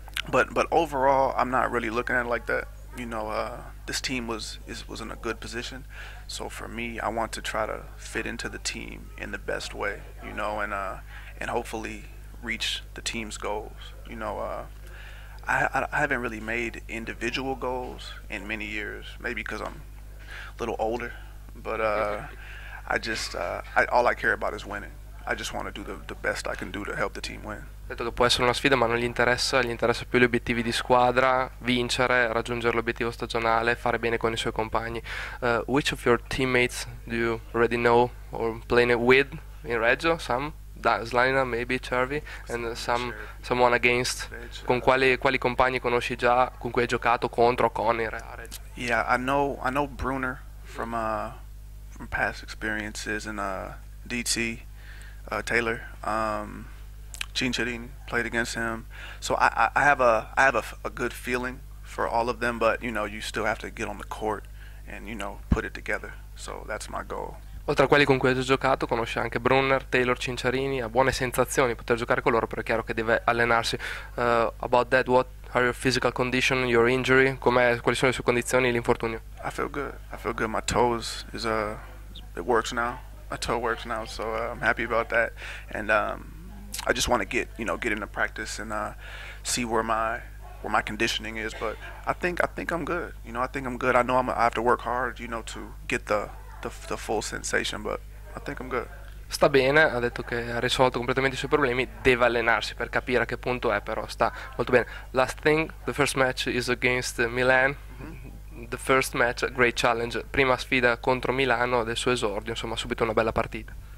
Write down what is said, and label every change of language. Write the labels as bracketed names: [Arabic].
[English] But overall, I'm not really looking at it like that. This team was in a good position, so for me, I want to try to fit into the team in the best way, and hopefully reach the team's goals. I haven't really made individual goals in many years, maybe because I'm a little older, but I just I all I care about is winning. I just want to do the best I can do to help the team win. [Italian] Detto che può essere una sfida, ma non gli interessa più gli obiettivi di squadra, vincere, raggiungere l'obiettivo stagionale, fare bene con i suoi compagni. [English] Which of your teammates do you already know or playing with in Reggio? Some Zlina, maybe Cervi, and someone against. [Italian] Con quali compagni conosci già, con cui hai giocato contro o con in Reggio? [English] Yeah, I know Bruner from past experiences and DT Taylor. Cincerini played against him. So I have a good feeling for all of them, but you still have to get on the court and put it together. So that's my goal. [Italian] Oltre a quelli con cui hai già giocato, conosce anche Brunner, Taylor, Cinciarini, ha buone sensazioni poter giocare con loro, però è chiaro che deve allenarsi. [English] About that, what are your physical condition, your injury, [Italian] quali sono le sue condizioni, l'infortunio? [English] I feel good. My toes is it works now. My toe works now, so I'm happy about that. And I just want to get into practice and see where my conditioning is. But I think I'm good. I think I'm good. I know I have to work hard, to get the full sensation. But I think I'm good. [Italian] Sta bene, ha detto che ha risolto completamente i suoi problemi, deve allenarsi per capire a che punto è, però sta molto bene. [English] Last thing, the first match is against Milan. The first match, great challenge. [Italian] Prima sfida contro Milano del suo esordio, insomma, subito una bella partita.